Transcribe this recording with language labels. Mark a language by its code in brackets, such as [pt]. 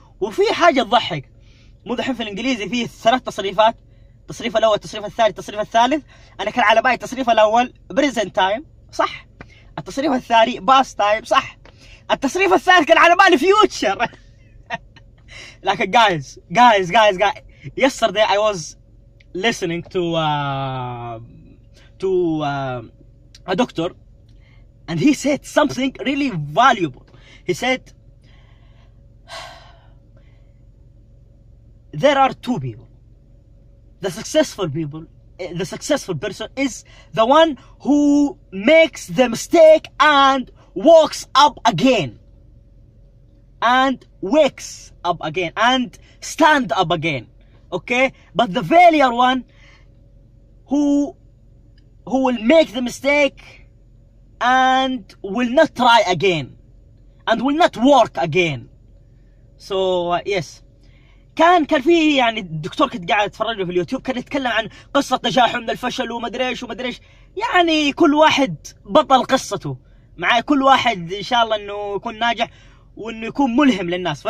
[ar] وفي حاجة تضحك. مو دحين في الإنجليزي فيه 3 تصريفات. التصريف الأول، التصريف الثاني، التصريف الثالث. أنا كان على بالي التصريف الأول [en] present time [ar] صح. التصريف الثاني [en] past time [ar] صح. التصريف الثالث كان على بالي future. لكن guys. [en] Yesterday I was listening to a doctor and he said something really valuable. He said there are two people. The successful people, the successful person is the one who makes the mistake and walks up again and wakes up again and stand up again. Okay, but the failure one who will make the mistake and will not try again and will not work again. So yes, [ar] كان في يعني الدكتور كنت قاعد اتفرج له في اليوتيوب كان يتكلم عن قصة نجاحه من الفشل وما ادري ايش وما ادري ايش. يعني كل واحد بطل قصته معي، كل واحد ان شاء الله انه يكون ناجح وانه يكون ملهم للناس.